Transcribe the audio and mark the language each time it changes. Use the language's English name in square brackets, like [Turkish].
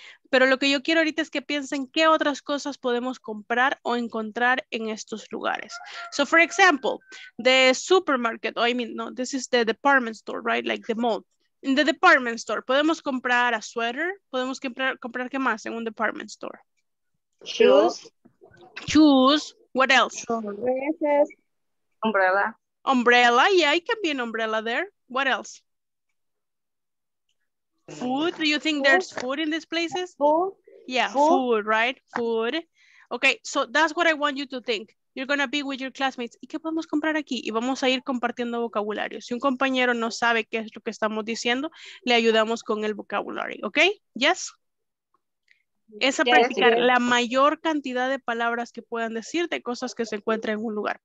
[Spanish] Pero lo que yo quiero ahorita es que piensen qué otras cosas podemos comprar o encontrar en estos lugares. [English] So, for example, the supermarket, oh, I mean, no, this is the department store, right? Like the mall. In the department store, [Spanish] ¿podemos comprar [English] a sweater? [Spanish] ¿Podemos comprar qué más en un department store? [English] Shoes. What else? Umbrella. Umbrella, yeah, it can be an umbrella there. What else? Food, do you think food? There's food in these places? Food? Yeah, food, right? Food. Okay, so that's what I want you to think. You're going to be with your classmates. [Spanish] ¿Y qué podemos comprar aquí? Y vamos a ir compartiendo vocabulario. Si un compañero no sabe qué es lo que estamos diciendo, le ayudamos con el vocabulario, ¿okay? [English] Yes? [Spanish] Es a practicar la mayor cantidad de palabras que puedan decir de cosas que se encuentran en un lugar.